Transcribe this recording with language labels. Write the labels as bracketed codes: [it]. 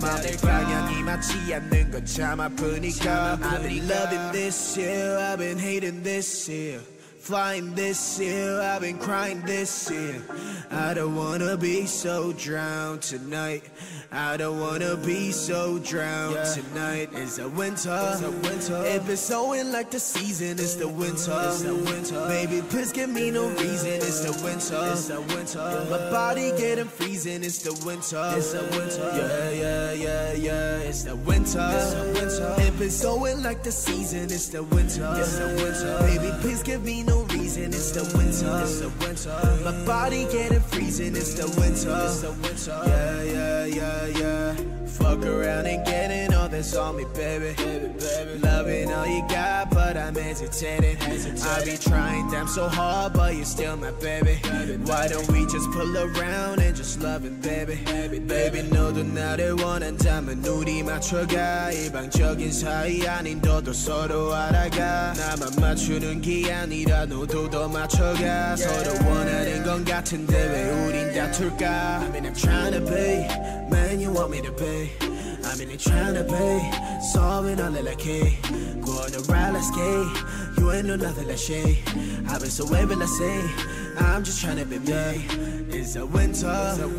[ko] 마음의 방향이 맞지 않는 건 참 아프니까. [en] I've been loving this year. I've been hating this year. Flying this year, I've been crying this year. I don't wanna be so drowned tonight. I don't wanna be so drowned tonight. It's a winter. It's a winter. If it's snowing like the season, it's the winter. It's the winter. Baby, please give me no reason. It's the winter. It's the winter. My body getting freezing. It's the winter. It's the winter. Yeah. It's the winter. It's the winter. If it's snowing like the season, it's the winter. It's the winter. Baby, please give me no reason. It's the winter. It's the winter. My body getting freezing. It's the winter. It's the winter. Yeah. Fuck around and getting all this on me, baby. Loving all you got, but I'm hesitating. I be trying damn so hard, but you're still my baby. Why don't we just pull around and just love it, baby? Baby, no, do not want a diamond. [ko] 눈이 맞춰가 일방적인 사이 아닌 너도 서로 알아가. 나만 맞추는 게 아니라 너도 더 맞춰가. 서로 원하는 건 같은데 왜 우린 다툴까? [en] I mean, I'm trying to be, man, you want me to be. I mean, I'm trying to be, solving all the like, go on the ride, let's get. You ain't no nothing like shade. I've been so wavy, let's say. I'm just trying to be me. It's a winter.